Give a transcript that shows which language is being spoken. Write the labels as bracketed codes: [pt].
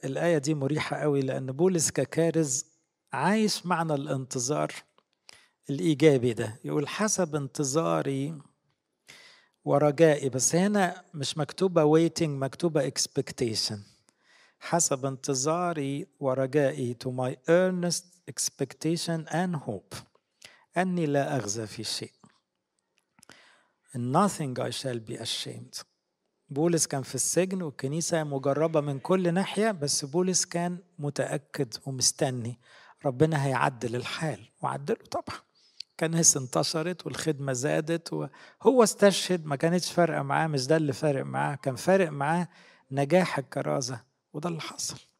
[ar] الاية دي مريحة قوي لان بولس ككارز عايش معنى الانتظار الايجابي ده، يقول حسب انتظاري ورجائي. بس هنا مش مكتوبة waiting، مكتوبة expectation. حسب انتظاري ورجائي, [en] to my earnest expectation and hope, [ar] أني لا أخزى في شيء. [en] Nothing I shall be ashamed. [ar] بولس كان في السجن والكنيسة مجربة من كل ناحية, بس بولس كان متأكد ومستني ربنا هيعدل الحال, وعدله طبعا. كنيسة انتشرت والخدمة زادت وهو استشهد, ما كانتش فارقة معاه, مش ده اللي فارق معاه, كان فارق معاه نجاح الكرازة, وده اللي حصل.